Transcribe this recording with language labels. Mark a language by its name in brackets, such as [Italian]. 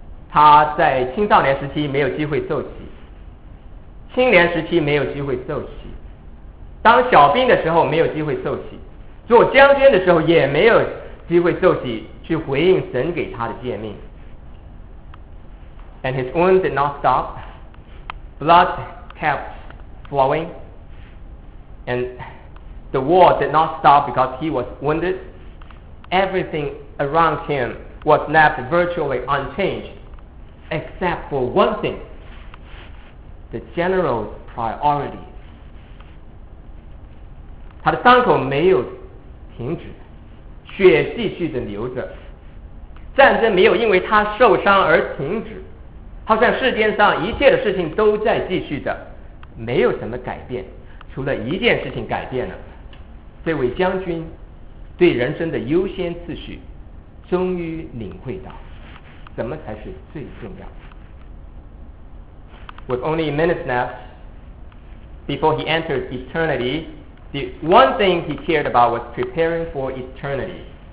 [Chinese] 他在青少年时期没有机会受洗，青年时期没有机会受洗，当小兵的时候没有机会受洗，做将军的时候也没有机会受洗，去回应神给他的诫命。 [English] And his wound did not stop. Blood kept flowing andThe war did not stop because he was wounded. Everything around him was left virtually unchanged, except for one thing, the general's priority. [Chinese] 他的伤口没有停止，血继续地流着，战争没有因为他受伤而停止，好像世间上一切的事情都在继续的，没有什么改变，除了一件事情改变了，这位将军对人生的优先次序终于领会到什么才是最重要的。 [English] With only minutes left before he entered eternity, the one thing he cared about was preparing for eternity.